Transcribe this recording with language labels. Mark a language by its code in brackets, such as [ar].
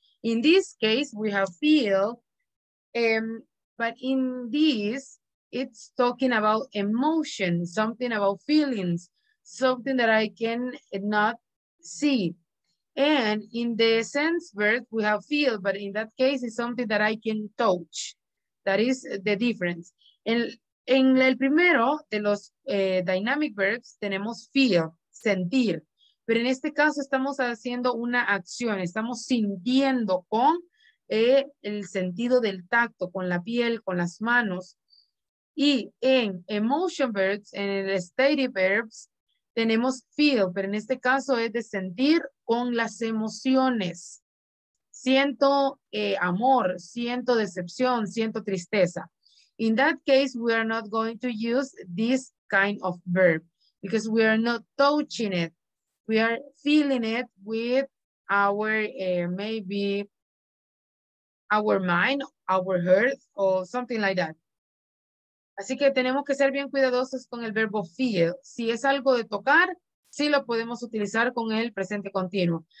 [en] In this case, we have feel, but in this, it's talking about emotion, something about feelings, something that I can not see. And in the sense verb, we have feel, but in that case, it's something that I can touch. That is the difference. [es] En el primero de los dynamic verbs, tenemos feel, sentir. Pero en este caso estamos haciendo una acción, estamos sintiendo con el sentido del tacto, con la piel, con las manos. Y en emotion verbs, en el stated verbs, tenemos feel, pero en este caso es de sentir con las emociones. Siento amor, siento decepción, siento tristeza. [en] In that case, we are not going to use this kind of verb because we are not touching it. We are feeling it with our, maybe, our mind, our heart, or something like that. [es] Así que tenemos que ser bien cuidadosos con el verbo feel. Si es algo de tocar, sí lo podemos utilizar con el presente continuo.